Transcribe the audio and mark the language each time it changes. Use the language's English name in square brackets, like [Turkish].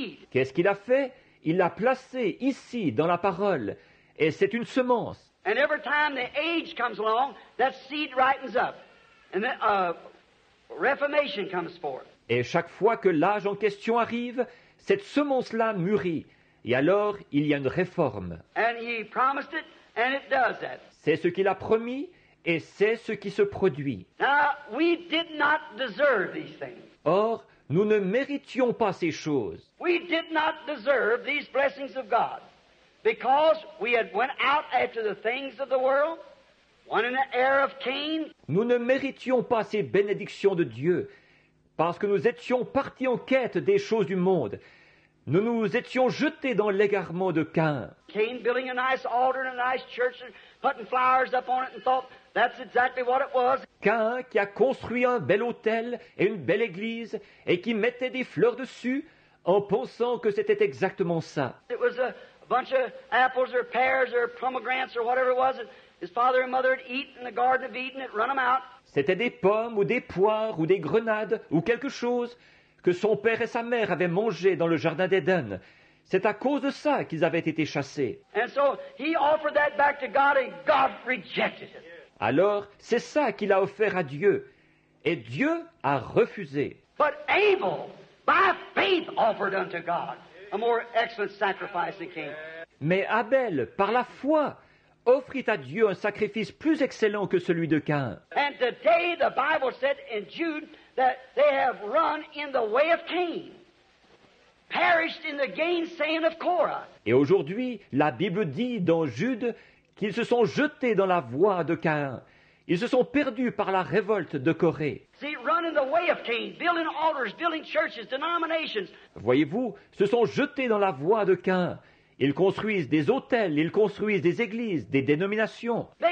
[French] Qu'est-ce qu'il a fait? Il l'a placée ici, dans la parole, et c'est une semence. [English] And every time the age comes along, that seed ripens up. And then, reformation comes forth. [French] Et chaque fois que l'âge en question arrive, cette semence-là mûrit. Et alors, il y a une réforme. [English] And he promised it, and it does that. [French] C'est ce qu'il a promis, et c'est ce qui se produit. [English] Now, we did not deserve these things. [French] Or, nous ne méritions pas ces choses. [English] We did not deserve these blessings of God, because we had went out after the things of the world. One in the heir of Cain. [French] Nous ne méritions pas ces bénédictions de Dieu parce que nous étions partis en quête des choses du monde. Nous nous étions jetés dans l'égarement de Cain. [English] Cain building a nice altar and a nice church and putting flowers up on it and thought that's exactly what it was. [French] Cain qui a construit un bel autel et une belle église et qui mettait des fleurs dessus en pensant que c'était exactement ça. [English] It was a bunch of apples or pears or pomegranates or whatever it was. His father and mother had eaten in the Garden of Eden and run them out. [French] C'était des pommes ou des poires ou des grenades ou quelque chose que son père et sa mère avaient mangé dans le jardin d'Éden. C'est à cause de ça qu'ils avaient été chassés. [English] And so he offered that back to God and God rejected it. [French] Alors, c'est ça qu'il a offert à Dieu et Dieu a refusé. [English] But Abel, by faith, offered unto God a more excellent sacrifice than Cain. [French] Mais Abel, par la foi, offrit à Dieu un sacrifice plus excellent que celui de Cain. [English] And today the Bible said in Jude that they have run in the way of Cain, perished in the gainsaying of Korah. [French] Et aujourd'hui, la Bible dit dans Jude qu'ils se sont jetés dans la voie de Cain. Ils se sont perdus par la révolte de Corée. [English] See, run in the way of Cain, building altars, building churches, denominations. [French] Voyez-vous, se sont jetés dans la voie de Cain. Ils construisent des hôtels, ils construisent des églises, des dénominations.